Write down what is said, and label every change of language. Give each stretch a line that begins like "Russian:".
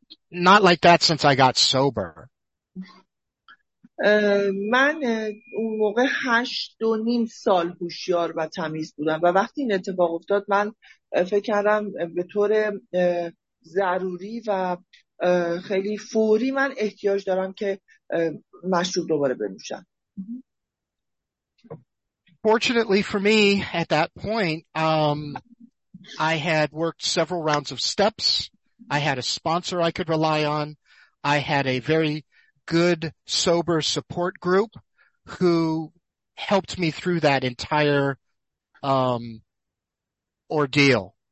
English: Not like that since I got sober.
Persian: من اون موقع 8.5 سال هوشیار و تمیز بودم و وقتی این اتفاق افتاد من فکر کردم به طور ضروری و خیلی فوری من احتیاج دارم که مشروب دوباره بنوشم.
English: Fortunately for me at that point I had worked several rounds of steps. I had a sponsor I could rely on. I had a very good sober support group who helped me through that entire ordeal.